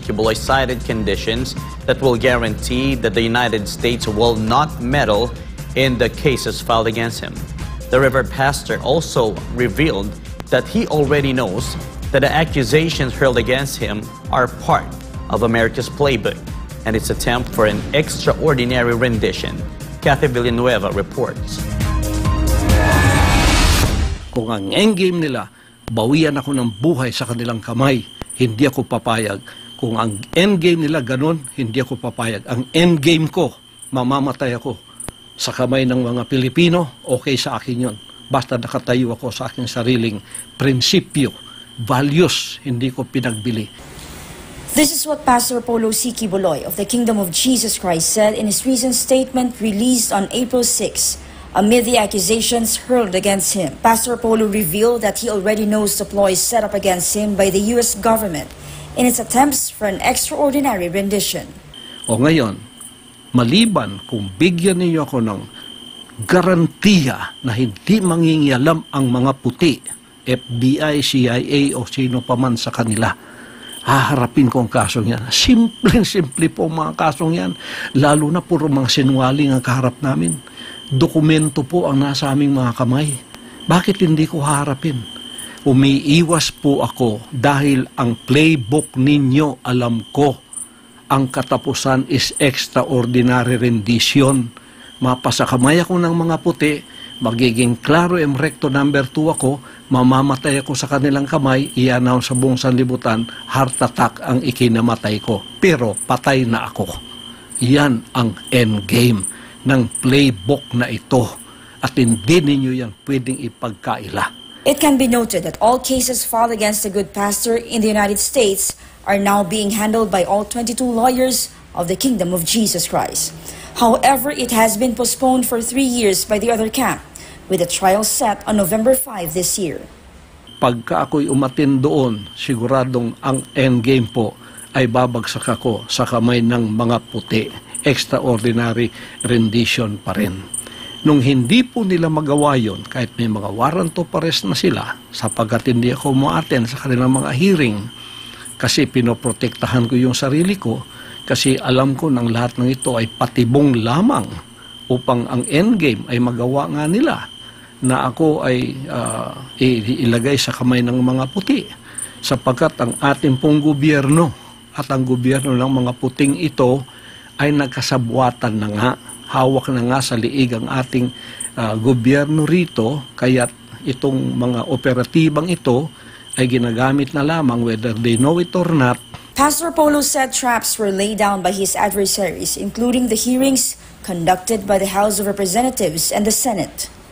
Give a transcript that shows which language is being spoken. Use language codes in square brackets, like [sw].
[en] Quiboloy cited conditions that will guarantee that the United States will not meddle in the cases filed against him. The River Pastor also revealed that he already knows that the accusations hurled against him are part of America's playbook and its attempt for an extraordinary rendition. Kathy Villanueva reports. [tl] Kung ang endgame nila, bawian ako ng buhay sa kanilang kamay, hindi ako papayag. Kung ang endgame nila ganun, hindi ako papayag. Ang endgame ko, mamamatay ako sa kamay ng mga Pilipino, okay sa akin yun. Basta nakatayo ako sa aking sariling prinsipyo, values, hindi ko pinagbili. [en] This is what Pastor Apollo C. Quiboloy of the Kingdom of Jesus Christ said in his recent statement released on April 6. Amid the accusations hurled against him, Pastor Apollo revealed that he already knows the ploys set up against him by the U.S. government in its attempts for an extraordinary rendition. [tl] O ngayon, maliban kung bigyan niyo ako ng garantiya na hindi mangingialam ang mga puti, FBI, CIA o sino paman sa kanila, haharapin ko ang kasong yan. Simple po mga kasong yan. Lalo na puro mga sinwaling ang kaharap namin. Dokumento po ang nasa aming mga kamay. Bakit hindi ko haharapin? Umiiwas po ako dahil ang playbook ninyo, alam ko, ang katapusan is extraordinary rendition. Mapasa kamay ako ng mga puti, magiging claro em recto number 2 ako, mamamatay ako sa kanilang kamay, i-announce sa buong sanlibutan, heart attack ang ikinamatay ko. Pero patay na ako. Yan ang endgame ng playbook na ito. At hindi ninyo yan pwedeng ipagkaila. [en] It can be noted that all cases filed against a good pastor in the United States are now being handled by all 22 lawyers of the Kingdom of Jesus Christ. However, it has been postponed for 3 years by the other camp, with a trial set on November 5 this year. [tl] Pagka ako'y umatin doon, siguradong ang endgame po ay babagsak ako sa kamay ng mga puti. Extraordinary rendition pa rin. Nung hindi po nila magawa yon, kahit may mga warrant of arrest na sila, sapagkat hindi ako umaten sa kanilang mga hearing, kasi pinoprotektahan ko yung sarili ko, kasi alam ko ng lahat ng ito ay patibong lamang upang ang endgame ay magawa nga nila na ako ay ilagay sa kamay ng mga puti. Sapagkat ang ating pong gobyerno at ang gobyerno ng mga puting ito ay nagkasabwatan na nga. Hawak na nga sa liig ang ating gobyerno rito, kaya itong mga operatibang ito ay ginagamit na lamang [en] whether they know it or not. Pastor Polo said traps were laid down by his adversaries, including the hearings conducted by the House of Representatives and the Senate.